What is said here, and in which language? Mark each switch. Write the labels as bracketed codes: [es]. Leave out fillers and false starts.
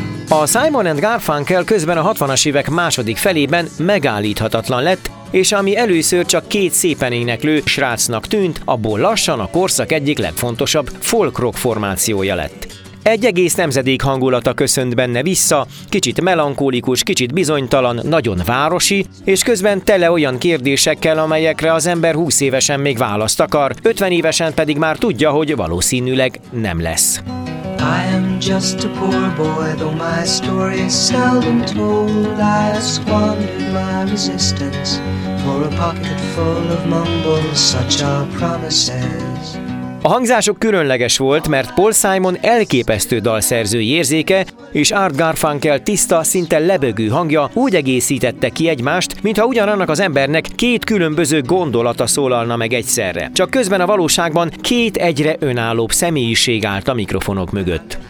[hu] A Simon & Garfunkel közben a 60-as évek második felében megállíthatatlan lett, és ami először csak két szépen éneklő srácnak tűnt, abból lassan a korszak egyik legfontosabb folk-rock formációja lett. Egy egész nemzedék hangulata köszönt benne vissza, kicsit melankólikus, kicsit bizonytalan, nagyon városi, és közben tele olyan kérdésekkel, amelyekre az ember 20 évesen még választ akar, 50 évesen pedig már tudja, hogy valószínűleg nem lesz. [en] I am just a poor boy, though my story is seldom told. I have squandered my resistance for a pocket full of mumbles, such are promises. [hu] A hangzások különleges volt, mert Paul Simon elképesztő dalszerzői érzéke és Art Garfunkel tiszta, szinte lebegő hangja úgy egészítette ki egymást, mintha ugyanannak az embernek két különböző gondolata szólalna meg egyszerre. Csak közben a valóságban két egyre önállóbb személyiség állt a mikrofonok mögött.